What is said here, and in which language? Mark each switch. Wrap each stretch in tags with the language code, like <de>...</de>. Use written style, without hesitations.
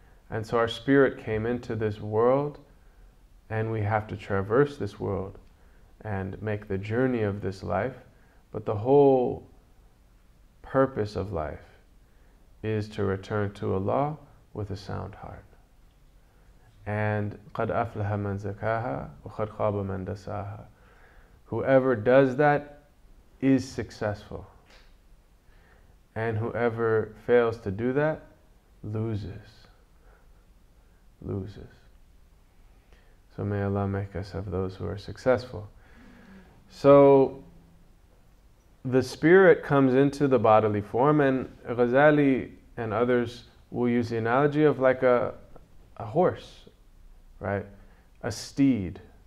<en>And so our spirit came into this world, and we have to traverse this world and make the journey of this life. But the whole purpose of life is to return to Allah with a sound heart.</en> <ar>And قَدْ أَفْلَحَ مَنْ زَكَاهَا وَقَدْ خَابَ مَنْ دَسَاهَا.</ar> <en>Whoever does that is successful. And whoever fails to do that loses. So may Allah make us of those who are successful. So the spirit comes into the bodily form, and Ghazali and others will use the analogy of like a horse, right? A steed.</en>